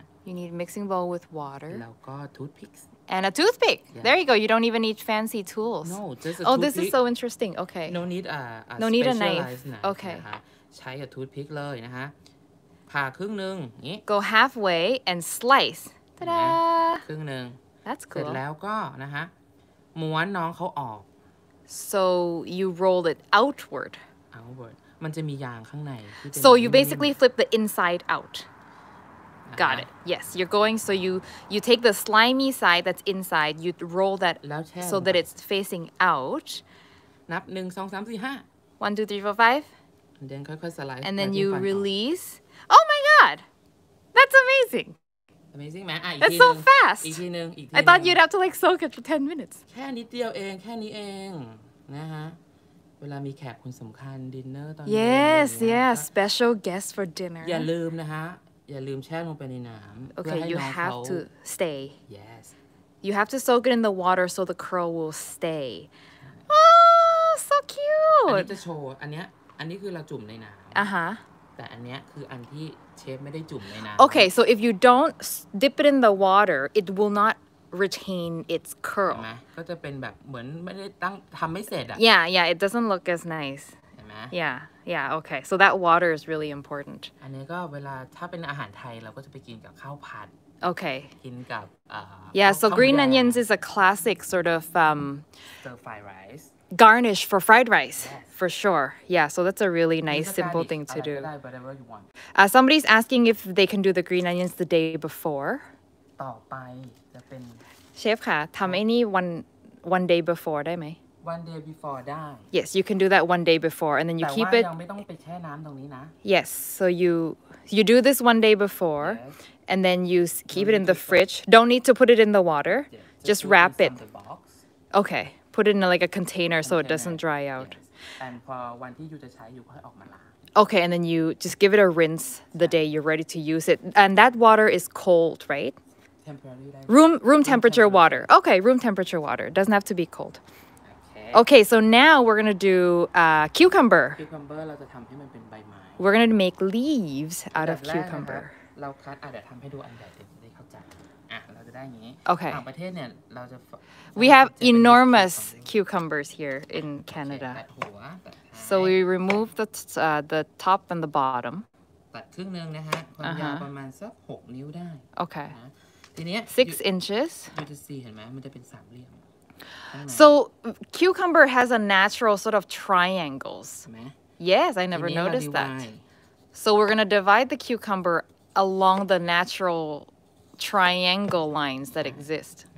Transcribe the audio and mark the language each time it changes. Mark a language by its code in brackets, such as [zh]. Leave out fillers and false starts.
[en] You need a mixing bowl with water. And a toothpick. Yeah. There you go. You don't even need fancy tools. No, just a toothpick. Oh, this is so interesting. Okay. No need a no need a knife. Okay. [th] ใช้ [en] a toothpick [th] เลยนะฮะผ่าครึ่งนึง [en] Go halfway and slice. Ta-da! [th] ครึ่งนึง [en] That's cool. [th] เสร็จแล้วก็นะฮะม้วนน้องเขาออก [en] So you roll it outward. Outward. [th] มันจะมียางข้างใน [en] So you basically flip the inside out. Got it. Yes, you're going. So you take the slimy side that's inside. You roll that so that it's facing out. Nap 1, 2, 3, 4, 5. 1, 2, 3, 4, 5. And then, quite, quite slice. And then you release. Oh my God. That's amazing. Amazing, man. That's so fast. I thought you'd have to like soak it for 10 minutes. [th] แค่นิดเดียวเองแค่นี้เองนะฮะเวลามีแขกคนสำคัญ dinner ตอน [en] Yes, yes. Special guest for dinner. [th] อย่าลืมนะฮะอย่าลืมแช่ลงไปในน้ำ [en] Okay, you have to stay. Yes. You have to soak it in the water so the curl will stay. Oh, so cute. [th] อันนี้จะโชว์อันนี้คือเราจุ่มในน้ำ แต่อันเนี้ยคืออันที่เชฟไม่ได้จุ่มในน้ำ [en] Okay, so if you don't dip it in the water, it will not retain its curl. [th] ก็จะเป็นแบบเหมือนไม่ได้ตั้งทำไม่เสร็จอ่ะ [en] Yeah, yeah. It doesn't look as nice. Yeah, yeah, okay. So that water is really important. [th] อันนี้ก็เวลาถ้าเป็นอาหารไทยเราก็จะไปกินกับข้าวผัด [en] Okay. [th] กินกับ [en] Yeah, so green onions is a classic sort of stir-fried rice. Garnish for fried rice, for sure. Yeah, so that's a really nice, simple thing to do. Whatever you want. Somebody's asking if they can do the green onions the day before. [th] ต่อไปจะเป็น เชฟค่ะทำไอ้นี่ [en] one day before [th] ได้ไหม [en] One day before, [th] ได้ [en] Yes, you can do that one day before, and then you keep it. [th] แต่ว่ายังไม่ต้องไปแช่น้ำตรงนี้นะ [en] Yes, so you do this one day before, yes. and then you keep it in the fridge. Don't need to put it in the water. Yes. Just wrap it. Box. Okay, put it in like a container so it doesn't dry out. Yes. [th] And พอวันที่ยูจะใช้ยูก็ให้ออกมาล้าง [en] Okay, and then you just give it a rinse the day you're ready to use it. And that water is cold, right? Room temperature water. Okay, room temperature water. It doesn't have to be cold. Okay, so now we're going to do cucumber. [th] Cucumber, เราจะทำให้มันเป็นใบไม้ [en] We're going to make leaves out of cucumber. [th] เราคัดเดี๋ยวทำให้ดูอันใหญ่ได้เข้าใจเราจะได้อย่างนี้ [en] Okay. [th] ต่างประเทศเนี่ยเราจะ [en] We have enormous cucumbers here in Canada. So we remove the top and the bottom. [th] ตัดครึ่งนึงนะฮะความยาวประมาณสัก6นิ้วได้ [en] Okay. [th] ทีนี้ [en] 6 inches. You can see [th] เห็นไหมมันจะเป็นสามเหลี่ยม [en] So, cucumber has a natural sort of triangles. Yes, I never noticed that. So we're going to divide the cucumber along the natural triangle lines that exist.